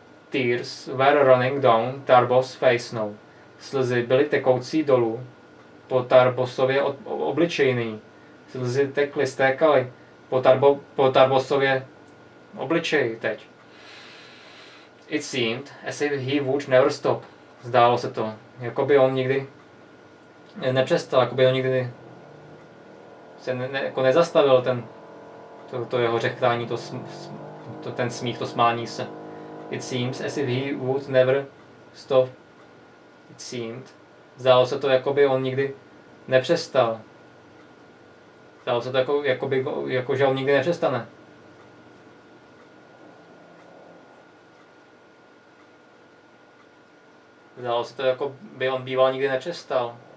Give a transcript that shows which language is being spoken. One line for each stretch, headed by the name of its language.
English: Tears were running down Tarbos face now.
Czech: Slzy byly tekoucí dolů po Tarbosově obličejný. Slzy tekly, stékaly po Tarbosově obličeji teď.
English: It seemed as if he would never stop.
Czech: Zdálo se to, jako by on nikdy nepřestal, jako by on nikdy se nezastavil ten to jeho řechtání, to ten smích, to smání se.
English: It seems as if he would never stop. It seemed.
Czech: Zdálo se to, jakoby on nikdy nepřestal. Zdálo se to, jakože on nikdy nepřestane. Zdálo se to, jako by on býval nikdy nepřestal.